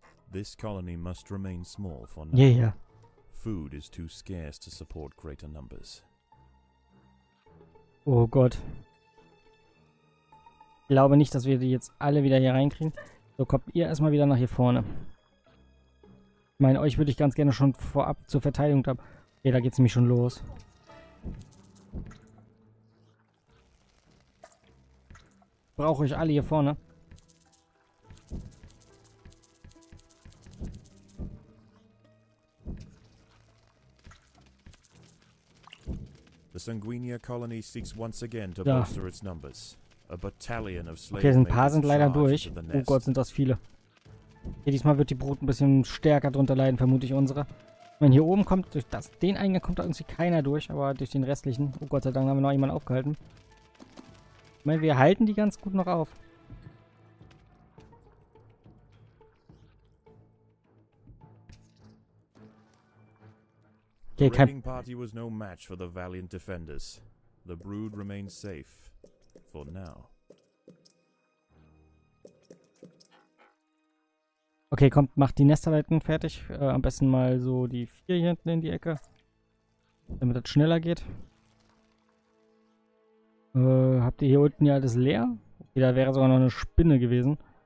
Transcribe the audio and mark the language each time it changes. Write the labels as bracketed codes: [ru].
[en] This colony must remain small for now. Yeah, yeah. Food is too scarce to support greater numbers. [de] Oh Gott. Ich glaube nicht, dass wir die jetzt alle wieder hier reinkriegen. So, kommt ihr erstmal wieder nach hier vorne. Ich meine, euch würde ich ganz gerne schon vorab zur Verteidigung haben. Okay, da geht's nämlich schon los. Brauche ich alle hier vorne. [en] The Sanguinia colony seeks once again to bolster its numbers. A battalion of slaves. [de] Okay, ein paar sind leider durch. Oh Gott, sind das viele. Okay, diesmal wird die Brut ein bisschen stärker drunter leiden, vermute ich unsere. Wenn hier oben kommt, durch das den Eingang kommt da irgendwie keiner durch, aber durch den restlichen. Oh Gott sei Dank haben wir noch jemanden aufgehalten. Ich meine, wir halten die ganz gut noch auf. Okay, kein... [en] Party was no match for the valiant defenders. The brood remains safe for now. [de] Okay, kommt, macht die Nesterleiten fertig. Am besten mal so die 4 hier hinten in die Ecke. Damit das schneller geht. Habt ihr hier unten ja alles leer? Okay, da wäre sogar noch eine Spinne gewesen.